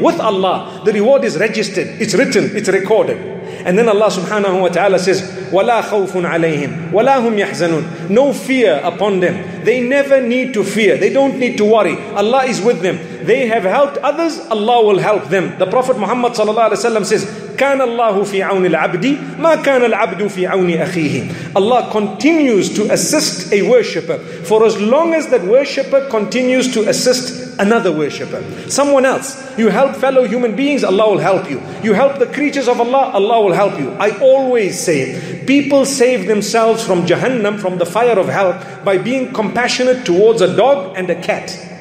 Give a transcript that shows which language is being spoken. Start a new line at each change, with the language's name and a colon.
English: With Allah, the reward is registered. It's written. It's recorded. And then Allah subhanahu wa ta'ala says,
Arabic: وَلَا خَوْفٌ عَلَيْهِمْ وَلَا هُمْ يَحْزَنُونَ.
English: No fear upon them. They never need to fear. They don't need to worry. Allah is with them. They have helped others. Allah will help them. The Prophet Muhammad sallallahu alayhi wa sallam says,
Arabic: كَانَ اللَّهُ فِي عَوْنِ الْعَبْدِ مَا كَانَ الْعَبْدُ فِي عَوْنِ أَخِيهِ.
English: Allah continues to assist a worshipper for as long as that worshipper continues to assist another worshipper. Someone else. You help fellow human beings, Allah will help you. You help the creatures of Allah, Allah will help you. I always say, people save themselves from Jahannam, from the fire of hell, by being compassionate towards a dog and a cat.